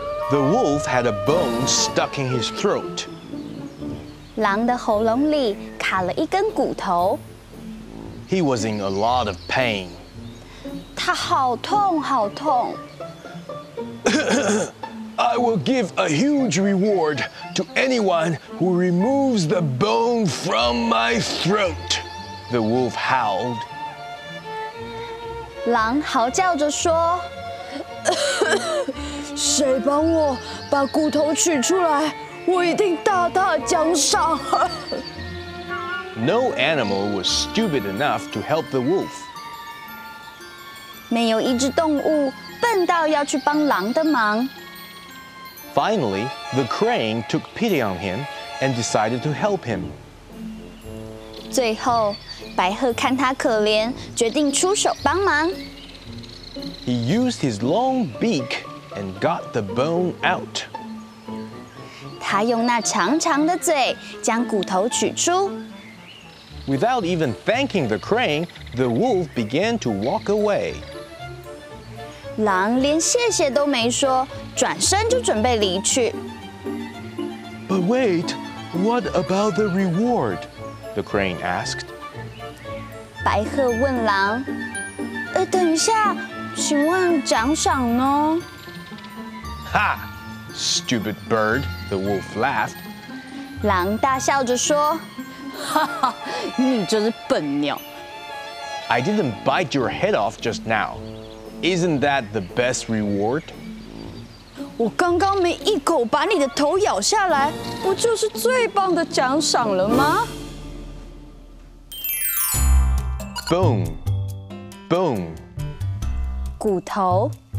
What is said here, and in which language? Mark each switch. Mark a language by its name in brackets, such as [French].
[English] The wolf had a bone stuck in his throat。 [Chinese] 狼的喉咙里卡了一根骨头。 [English] He was in a lot of pain. [Chinese] 他好痛好痛。 [English] I will give a huge reward to anyone who removes the bone from my throat. The wolf howled. [Chinese] 狼嚎叫着说，谁帮我把骨头取出来，我一定大大奖赏。 [English] No animal was stupid enough to help the wolf. [Chinese] 没有一只动物笨到要去帮狼的忙。 [English] Finally, the crane took pity on him and decided to help him. [Chinese] 最后，白鹤看他可怜，决定出手帮忙。 [English] He used his long beak and got the bone out. [Chinese] 他用那长长的嘴将骨头取出。 [English] Without even thanking the crane, the wolf began to walk away. [Chinese] 狼连谢谢都没说，转身就准备离去。 [English] But wait, what about the reward? The crane asked. [Chinese] 白鹤问狼，等一下，请问奖赏呢？ [English] 哈 ，stupid bird, the wolf laughed. [Chinese] 狼大笑着说，哈哈，你就是笨鸟。 [English] I didn't bite your head off just now. Isn't that the best reward? [Chinese] 我刚刚没一口把你的头咬下来，不就是最棒的奖赏了吗 [English] ？Bone, bone. [Chinese] 骨头。